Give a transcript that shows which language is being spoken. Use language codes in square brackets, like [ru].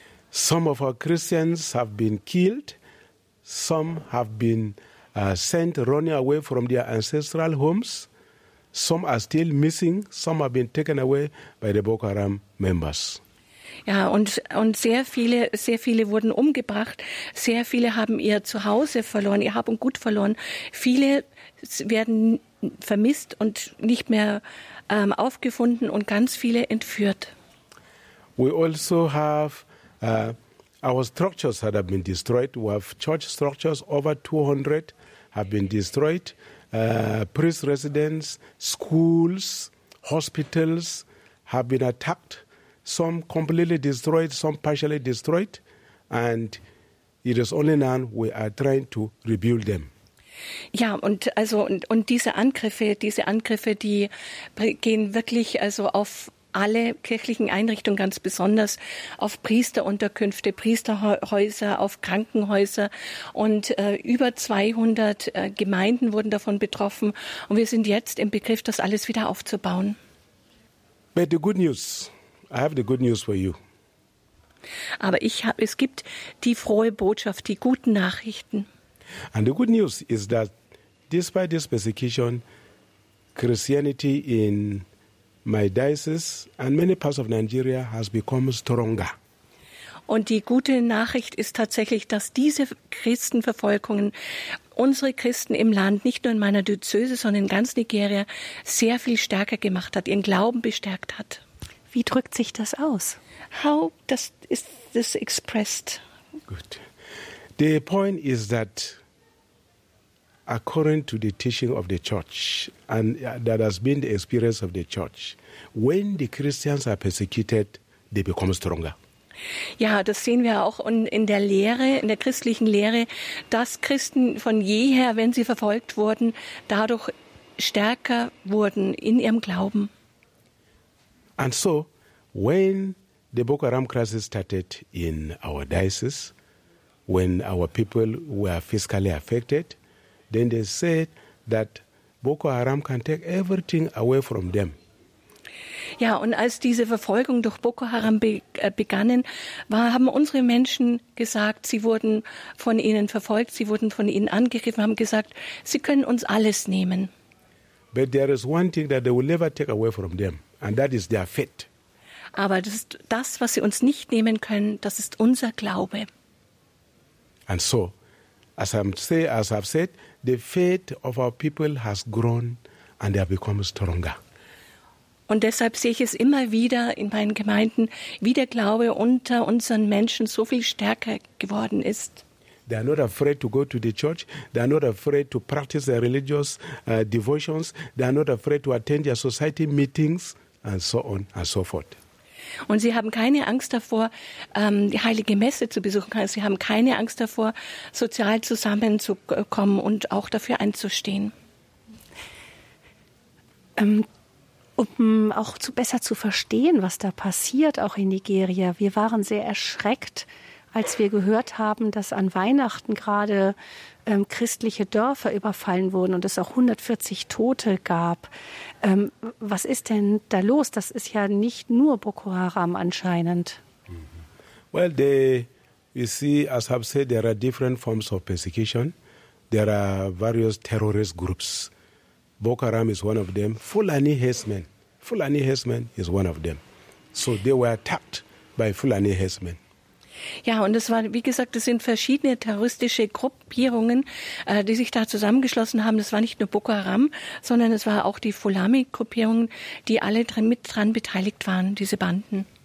[en] Some of our Christians have been killed. Some have been sent running away from their ancestral homes. Some are still missing. Some have been taken away by the Boko Haram members. [de] Ja, und sehr viele wurden umgebracht. Sehr viele haben ihr Zuhause verloren, ihr Hab und Gut verloren. Viele werden vermisst und nicht mehr aufgefunden und ganz viele entführt. [en] We also have our structures that have been destroyed. We have church structures over 200 have been destroyed. Priest residence, schools, hospitals have been attacked. Some completely destroyed, some partially destroyed, and it is only now we are trying to rebuild them. [de] Ja, und also und diese Angriffe, die gehen wirklich also auf alle kirchlichen Einrichtungen, ganz besonders auf Priesterunterkünfte, Priesterhäuser, auf Krankenhäuser. Und über 200 Gemeinden wurden davon betroffen. Und wir sind jetzt im Begriff, das alles wieder aufzubauen. [en] But the good news. I have the good news for you. [de] Aber es gibt die frohe Botschaft, die guten Nachrichten. [en] And the good news is that despite this persecution, Christianity in my diocese and many parts of Nigeria has become stronger. [de] Und die gute Nachricht ist tatsächlich, dass diese Christenverfolgungen unsere Christen im Land, nicht nur in meiner Diözese, sondern in ganz Nigeria, sehr viel stärker gemacht hat, ihren Glauben bestärkt hat. Wie drückt sich das aus? [en] How does is this expressed? Good. The point is that according to the teaching of the church, and that has been the experience of the church, when the Christians are persecuted, they become stronger. [de] Ja, das sehen wir auch in der christlichen Lehre, dass Christen von jeher, wenn sie verfolgt wurden, dadurch stärker wurden in ihrem Glauben. [en] And so, when the Boko Haram crisis started in our diocese, when our people were physically affected, then they said that Boko Haram can take everything away from them. [de] Ja, und als diese Verfolgung durch Boko Haram begannen, haben unsere Menschen gesagt, sie wurden von ihnen verfolgt, sie wurden von ihnen angegriffen, haben gesagt, sie können uns alles nehmen. [en] But there is one thing that they will never take away from them, and that is their faith. [de] Aber das, was sie uns nicht nehmen können, das ist unser Glaube. [en] And so, as I've said, the faith of our people has grown and they have become stronger. [de] Und deshalb sehe ich es immer wieder in meinen Gemeinden, wie der Glaube unter unseren Menschen so viel stärker geworden ist. [en] They are not afraid to go to the church. They are not afraid to practice their religious devotions. They are not afraid to attend their society meetings and so on and so forth. [de] Und sie haben keine Angst davor, die Heilige Messe zu besuchen. Sie haben keine Angst davor, sozial zusammenzukommen und auch dafür einzustehen. Um auch besser zu verstehen, was da passiert, auch in Nigeria. Wir waren sehr erschreckt, als wir gehört haben, dass an Weihnachten gerade christliche Dörfer überfallen wurden und es auch 140 Tote gab. Was ist denn da los? Das ist ja nicht nur Boko Haram anscheinend. [en] Well, as I've said, there are different forms of persecution. There are various terrorist groups. Boko Haram is one of them. Fulani Herdsmen is one of them. So they were attacked by Fulani Herdsmen. [de] Ja, und es war, wie gesagt, es sind verschiedene terroristische Gruppierungen, die sich da zusammengeschlossen haben. Das war nicht nur Boko Haram, sondern es war auch die Fulani-Gruppierungen, die alle mit dran beteiligt waren, diese Banden.